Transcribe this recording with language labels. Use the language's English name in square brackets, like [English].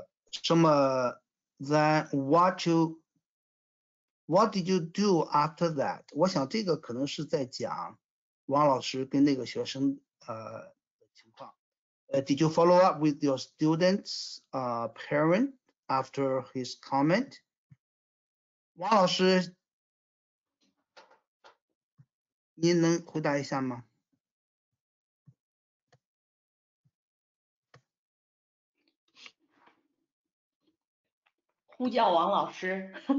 [Chinese] 什么 [English] ？Then what did you do after that？ [Chinese] 我想这个可能是在讲王老师跟那个学生的情况。 [English] Did you follow up with your student's parent after his comment? [Chinese] 王老师，您能回答一下吗？呼叫王老师。